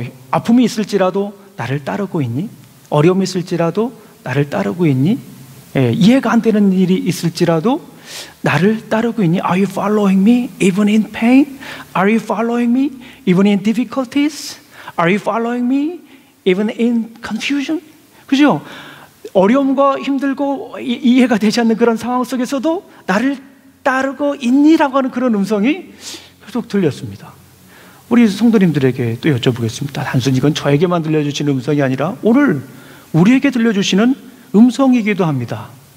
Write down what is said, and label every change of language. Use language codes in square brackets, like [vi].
[ko] 아픔이 있을지라도 나를 따르고 있니? 어려움이 있을지라도 나를 따르고 있니? 예, 이해가 안 되는 일이 있을지라도 나를 따르고 있니? [en] Are you following me even in pain? Are you following me even in difficulties? Are you following me even in confusion? [ko] 그죠? 어려움과 힘들고 이해가 되지 않는 그런 상황 속에서도 나를 따르고 있니라고 하는 그런 음성이 계속 들렸습니다. 우리 성도님들에게 또 여쭤보겠습니다. 단순히 이건 저에게만 들려주시는 음성이 아니라 오늘 우리에게 들려주시는 음성이기도 합니다.